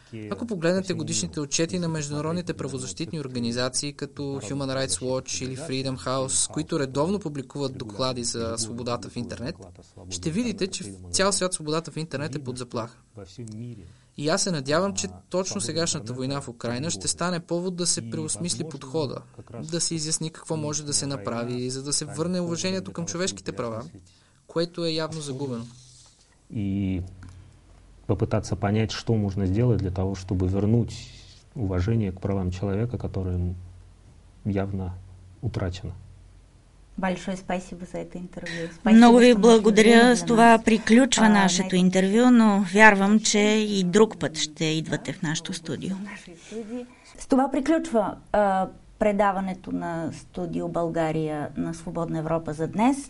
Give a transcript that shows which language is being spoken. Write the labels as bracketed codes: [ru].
[bg] Ако погледнете годишните отчети на международните правозащитни организации като Human Rights Watch или Freedom House, които редовно публикуват доклади за свободата в интернет, ще видите, че в цял свят свободата в интернет е под заплаха. И аз се надявам, че точно сегашната война в Украйна ще стане повод да се преосмисли подхода, да се изясни какво може да се направи, за да се върне уважението към човешките права, което е явно загубено. [ru] И попытаться понять, что можно сделать для того, чтобы вернуть уважение к правам человека, которое явно утрачено. Большое спасибо за это интервью. [bg] Много ви благодаря. С това приключва нашето интервью, но вярвам, че и друг път ще идвате в нашото студио. С това приключва предаването на студио България на Свободна Европа за днес.